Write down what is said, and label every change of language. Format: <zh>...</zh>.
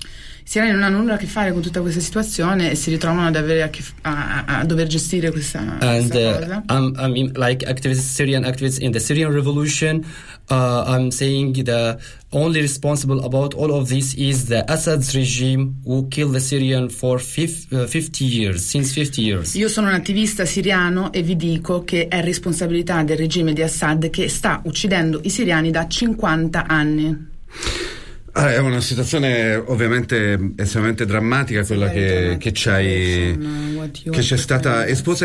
<it>I siriani non hanno nulla a che fare con tutta questa situazione e si ritrovano a dover gestire questa cosa.</it> <en>And I'm like Syrian activists in the Syrian revolution, I'm saying the only responsible about all of this is the Assad's regime who killed the Syrian for 50 years.</en> <it>Io sono un attivista siriano e vi dico che è responsabilità del regime di Assad che sta uccidendo i siriani da 50 anni. È una situazione ovviamente estremamente drammatica quella che c'è stata esposta.</it>